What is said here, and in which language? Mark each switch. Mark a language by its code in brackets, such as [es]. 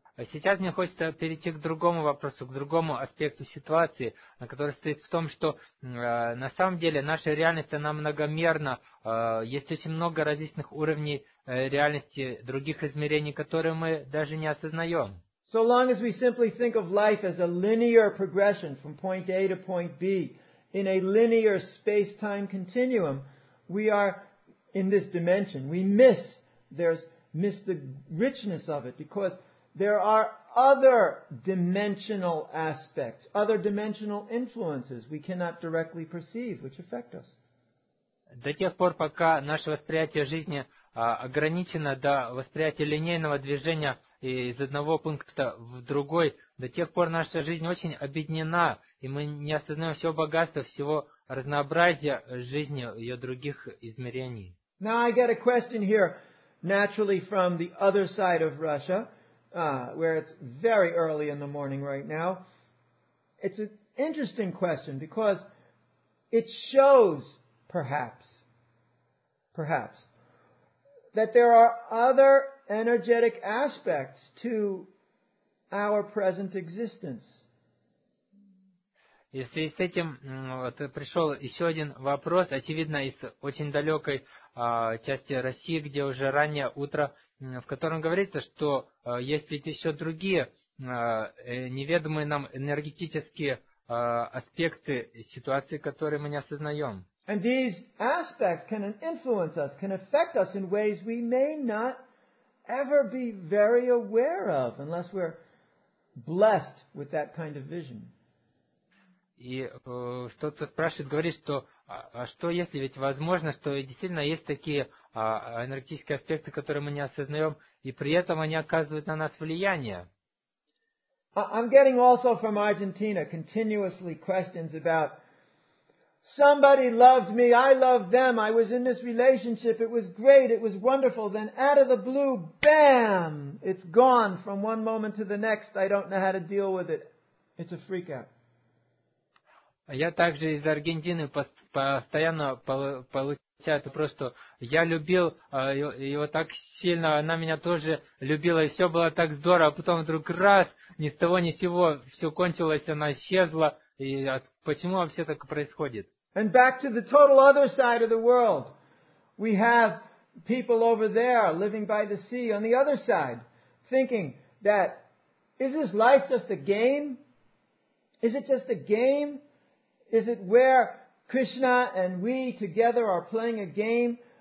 [ru] Сейчас мне хочется перейти к другому вопросу, к другому аспекту ситуации, который стоит в том, что на самом деле наша реальность, она многомерна. Есть очень много различных уровней реальности, других измерений, которые мы даже не осознаем. [en] So long as we simply think of life as a linear progression from point A to point B in a linear space-time continuum, we are in this dimension. We miss the richness of it because there are other dimensional aspects, other dimensional influences we cannot directly perceive, which affect us. [ru] До тех пор, пока наше восприятие жизни ограничено до восприятия линейного движения из одного пункта в другой, до тех пор наша жизнь очень объединена, и мы не осознаем всего богатства, всего разнообразия жизни, ее других измерений. [en] Now I get a question here, naturally from the other side of Russia, where it's very early in the morning right now. It's an interesting question, because it shows, perhaps, that there are other energetic aspects to our present existence. [ru] И в связи с этим пришел еще один вопрос, очевидно, из очень далекой части России, где уже раннее утро, в котором говорится, что есть ведь еще другие неведомые нам энергетические аспекты ситуации, которые мы не осознаем. [en] And these aspects can influence us, can affect us in ways we may not ever be very aware of unless we're blessed with that kind of vision. [ru] И кто-то спрашивает, говорит, что что если ведь возможно, что действительно есть такие энергетические аспекты, которые мы не осознаем, и при этом они оказывают на нас влияние. [en] I'm getting also from Argentina continuously questions about somebody loved me, I loved them, I was in this relationship, it was great, it was wonderful, then out of the blue, bam, it's gone from one moment to the next, I don't know how to deal with it, it's a freak out. [ru] Я также из Аргентины постоянно получаю это просто, я любил его так сильно, она меня тоже любила, и все было так здорово, а потом вдруг раз, ни с того ни с сего, все кончилось, она исчезла. И почему вообще так происходит? [en] And back to the total other side of the world. We have people over there living by the sea on the other side thinking that is this life just a game? Is it just a game? Is it where Krishna and we together are playing a game